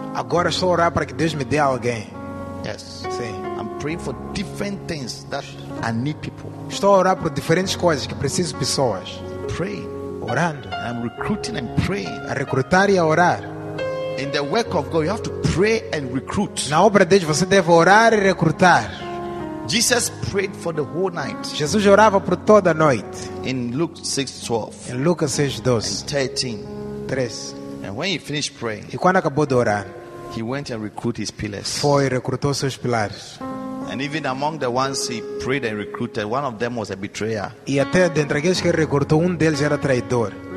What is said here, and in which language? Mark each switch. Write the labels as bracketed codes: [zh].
[pt] Agora estou a orar para que Deus me dê alguém. [en] Yes. [pt] Sim. [en] I'm praying for different things that I need people. [pt] Estou a orar por diferentes coisas que preciso pessoas. [en] Pray. [pt] orando. [en] I'm recruiting and praying. [pt] A recrutar e a orar. [en] In the work of God, you have to pray and recruit. [pt] Na obra de Deus, você deve orar e recrutar. [en] Jesus prayed for the whole night. [pt] Jesus orava por toda a noite. [en] In Luke 6:12. [pt] Em Lucas 6:12. [en] And 13. [pt] 3. [en] And when he finished praying, [pt] e quando acabou de orar, [en] he went and recruited his pillars. [pt] Foi e recrutou seus pilares. [en] And even among the ones he prayed and recruited, one of them was a betrayer. [pt] E até dentre aqueles que recrutou, deles era traidor.